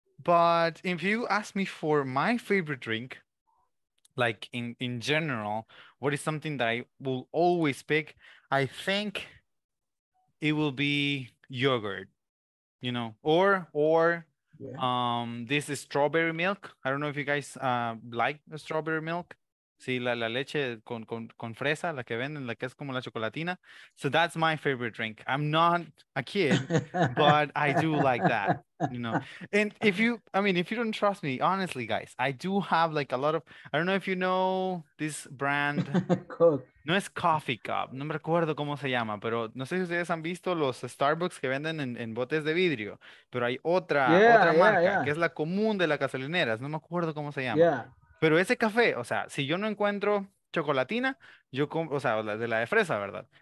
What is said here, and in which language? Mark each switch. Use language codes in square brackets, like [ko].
[en] But if you ask me for my favorite drink, like in general, what is something that I will always pick? I think it will be yogurt, you know, or yeah. This is strawberry milk. I don't know if you guys like the strawberry milk. [es] Sí, la leche con fresa, la que venden, la que es como la chocolatina. [en] So that's my favorite drink. I'm not a kid, but I do like that, you know. And if you don't trust me, honestly, guys, I do have like a lot of, I don't know if you know this brand. Coke. [es] No es [en] coffee cup. [es] No me recuerdo cómo se llama, pero no sé si ustedes han visto los Starbucks que venden en botes de vidrio. Pero hay otra marca, que es la común de las gasolineras. No me acuerdo cómo se llama. Yeah. Pero ese café, o sea, si yo no encuentro chocolatina, yo compro, o sea, de la de fresa, ¿verdad?